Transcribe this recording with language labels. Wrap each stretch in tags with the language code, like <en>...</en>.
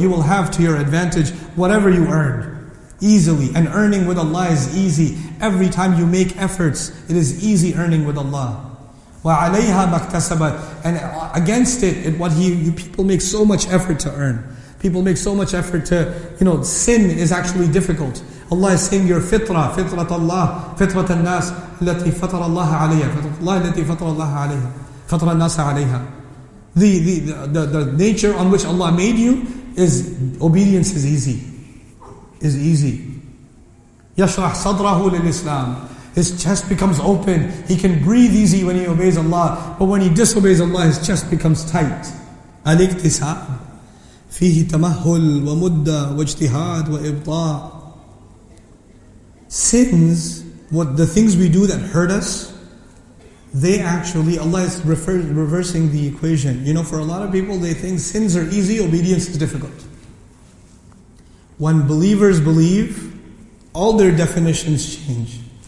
<en>You will have to your advantage whatever you earned. Easily. And earning with Allah is easy. Every time you make efforts, it is easy earning with Allah.</en> <ar>وَعَلَيْهَا مَكْتَسَبَتْ.</ar> <en>And against it, people make so much effort to earn. People make so much effort to, sin is actually difficult. Allah is saying your fitrah, fitrat Allah, fitrat al-nas,</en> <ar>التي فطر الله عليها, فطر الله التي فطر الله عليها, فطر الناس عليها.</ar> <en>The nature on which Allah made you is obedience is easy. Is easy.</en> <ar>يشرح صدره للإسلام.</ar> <en>His chest becomes open. He can breathe easy when he obeys Allah. But when he disobeys Allah, his chest becomes tight.</en> <ar>الاكتساب فيه تمهل ومدة واجتهاد وإبطاء.</ar> <en>Sins, what the things we do that hurt us, they actually, Allah is reversing the equation. For a lot of people, they think sins are easy, obedience is difficult. When believers believe, all their definitions change.</en>